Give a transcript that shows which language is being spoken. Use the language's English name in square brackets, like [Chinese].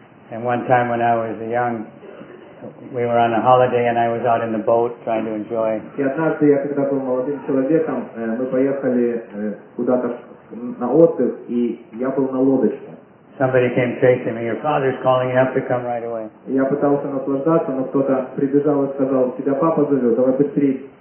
[English] And one time when I was young, we were on a holiday and I was out in the boat trying to enjoy. [Russian] И однажды я когда был молодым человеком, мы поехали куда-то на отдых, и я был на лодочке. [English] Somebody came chasing me. Your father's calling. You have to come right away. [Russian] Я пытался наслаждаться, но кто-то прибежал и сказал: тебя папа зовет, давай быстрее.